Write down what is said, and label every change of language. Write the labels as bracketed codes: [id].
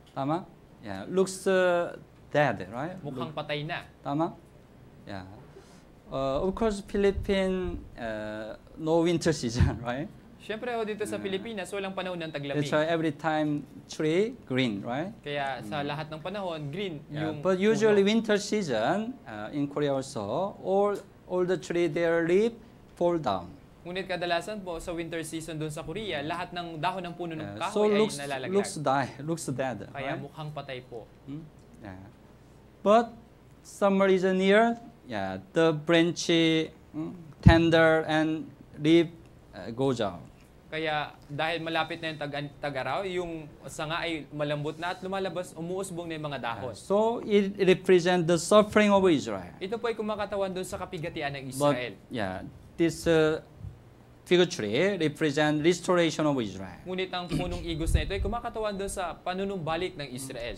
[en] Tama? Yeah. Looks dead, right? [tl] Mukhang look, patay na. [en] Tama? Yeah. Of course, Philippines, no winter season, right? [tl] Siyempre ho dito sa Pilipinas, walang panahon ng taglamig. [en] So every time tree, green, right? [tl] Kaya sa lahat ng panahon, green yung [en] But usually puno. Winter season, in Korea also, all the tree, their leaf fall down. [tl] Ngunit kadalasan po sa winter season doon sa Korea, lahat ng dahon ng puno ng kahoy [en] so [tl] looks, ay nalalaglag. [en] Looks die, looks dead. [tl] Kaya [en] right? [tl] Mukhang patay po. [en] Hmm? Yeah. But summer is near, yeah, the branch tender and leaf goes out. [tl] Kaya dahil malapit na yung tag-araw, yung sanga ay malambot na at lumalabas, umuusbong na yung mga dahon. [en] So, it represents the suffering of Israel. [tl] Ito po ay kumakatawan doon sa kapigatian ng Israel. [en] But, yeah, this fig tree represents restoration of Israel. [tl] Ngunit ang punong igos na ito ay kumakatawan doon sa panunumbalik ng Israel.